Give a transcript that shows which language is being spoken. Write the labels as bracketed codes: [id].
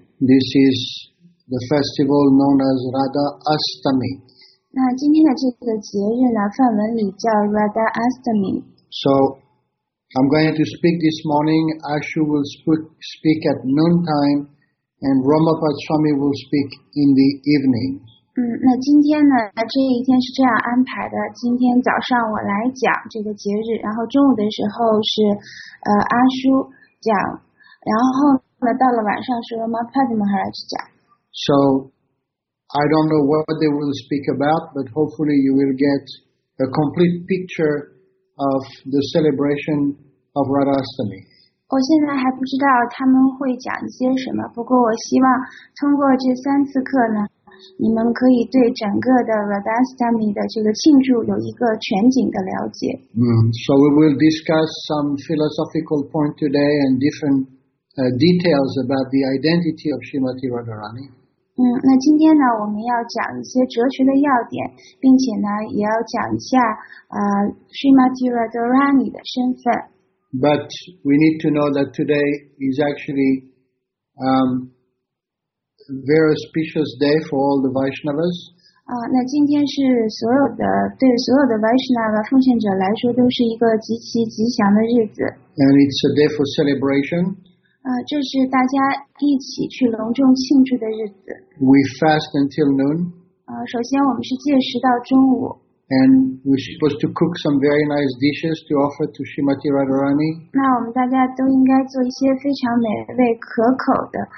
[en] This is the festival known as Radha Ashtami. [zh] 那今天的这个节日呢，梵文里叫 Radha Ashtami. [en] So I'm going to speak this morning. Ashu will speak at noon time, and Ramapa Swami will speak in the evening. [zh] 那今天呢，这一天是这样安排的。今天早上我来讲这个节日，然后中午的时候是阿叔讲，然后呢到了晚上是 Rama Padma Maharaj 讲。 [en] So I don't know what they will speak about, but hopefully you will get a complete picture of the celebration of Radhashtami. [zh] 我现在还不知道他们会讲一些什么，不过我希望通过这三次课呢，你们可以对整个的 Radhashtami 的这个庆祝有一个全景的了解。 [en] So we will discuss some philosophical point today and different details about the identity of Srimati Radharani. [zh] 那今天呢，我们要讲一些哲学的要点，并且呢，也要讲一下Srimati Radharani 的身份。 [en] But we need to know that today is actually very auspicious day for all the Vaishnavas. [zh] 那今天是所有的对所有的 Vaishnava 奉献者来说都是一个极其吉祥的日子。 [en] And it's a day for celebration. [zh] 这是大家一起去隆重庆祝的日子。 [en] We fast until noon. [zh] 首先我们是戒食到中午。 [en] And we're supposed to cook some very nice dishes to offer to Srimati Radharani. [zh] 那我们大家都应该做一些非常美味可口的。